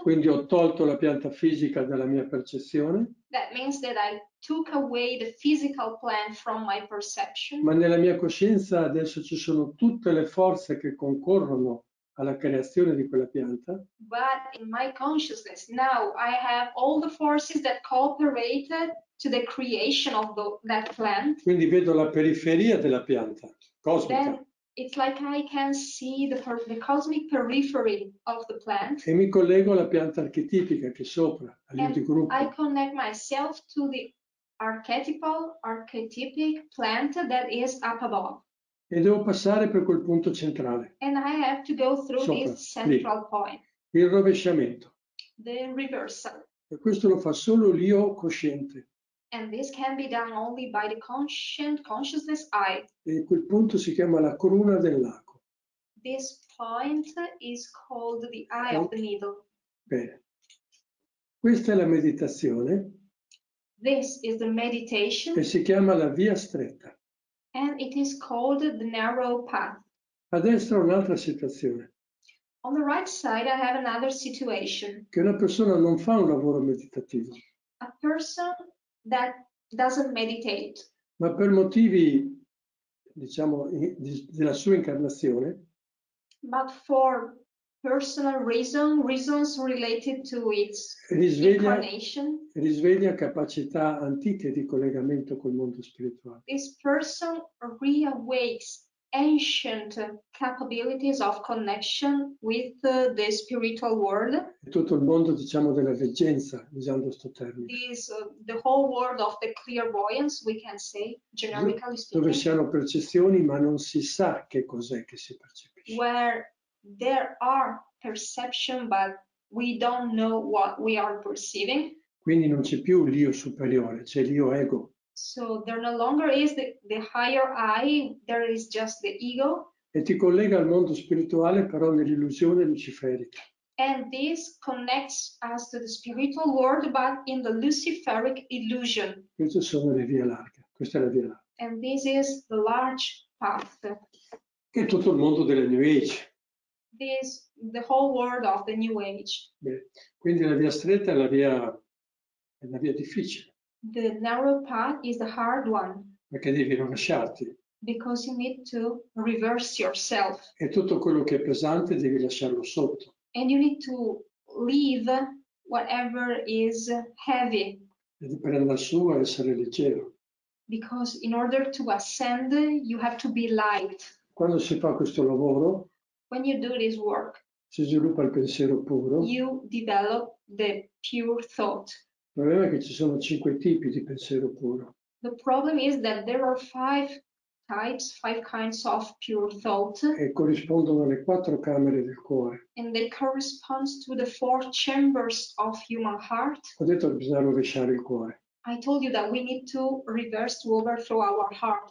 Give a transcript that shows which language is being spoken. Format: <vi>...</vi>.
<it>Quindi ho tolto la pianta fisica dalla mia percezione.</it> <en>That means that I took away the physical plant from my perception.</en> <it>Ma nella mia coscienza adesso ci sono tutte le forze che concorrono alla creazione di quella pianta.</it> <en>But in my consciousness now I have all the forces that cooperated to the creation of that plant.</en> <it>Quindi vedo la periferia della pianta cosmica.</it> <en>Then it's like I can see the cosmic periphery of the plant.</en> <it>E mi collego alla pianta archetipica che sopra, all'intergruppo.</it> <en>I connect myself to the archetypic plant that is up above.</en> <it>E devo passare per quel punto centrale.</it> <en>And I have to go through</en> <it>sopra,</it> <en>this central</en> <it>lì.</it> <en>Point.</en> <it>Il rovesciamento.</it> <en>The reversal.</en> <it>E questo lo fa solo l'io cosciente.</it> <en>And this can be done only by the consciousness I.</en> <it>E quel punto si chiama la cruna del lago.</it> <en>This point is called the eye of the needle.</en> <it>Bene. Questa è la meditazione.</it> <en>This is the meditation.</en> <it>E si chiama la via stretta.</it> <en>And it is called the narrow path.</en> <it>A destra un'altra situazione.</it> <en>On the right side I have another situation.</en> <it>Che una persona non fa un lavoro meditativo.</it> <en>A person that doesn't meditate.</en> <it>Ma per motivi, diciamo, della sua incarnazione.</it> <en>But for personal reasons related to its incarnation.</en> <it>Risveglia capacità antiche di collegamento col mondo spirituale.</it> <en>This person reawakes ancient capabilities of connection with the spiritual world.</en> <it>Tutto il mondo, diciamo, della veggenza, usando questo termine.</it> <en>This the whole world of the clairvoyance, we can say, generically speaking.</en> <it>Dove si hanno percezioni, ma non si sa che cos'è che si percepisce.</it> <en>Where there are perception, but we don't know what we are perceiving.</en> <it>Quindi non c'è più l'io superiore, c'è l'io ego.</it> <en>So there no longer is the higher I, there is just the ego.</en> <it>E ti collega al mondo spirituale, però nell'illusione luciferica.</it> <en>And this connects us to the spiritual world, but in the luciferic illusion.</en> <it>Queste sono le vie larghe. Questa è la via larga.</it> <en>And this is the large path.</en> <it>Che è tutto il mondo della New Age.</it> <en>This the whole world of the New Age.</en> <it>Beh, quindi la via stretta è la via difficile.</it> <en>The narrow path is the hard one.</en> <it>Perché devi rovesciarti.</it> <en>Because you need to reverse yourself.</en> <it>E tutto quello che è pesante devi lasciarlo sotto.</it> <en>And you need to leave whatever is heavy.</en> <it>E per andare su e essere leggero.</it> <en>Because in order to ascend you have to be light.</en> <it>Quando si fa questo lavoro,</it> <en>when you do this work,</en> <it>si sviluppa il pensiero puro.</it> <en>You develop the pure thought.</en> <it>Il problema è che ci sono cinque tipi di pensiero puro.</it> <en>The problem is that there are five kinds of pure thought.</en> <it>E corrispondono alle quattro camere del cuore.</it> <en>And they correspond to the four chambers of human heart.</en> <it>Ho detto che bisogna rovesciare il cuore.</it> <en>I told you that we need to reverse to overthrow our hearts.</en>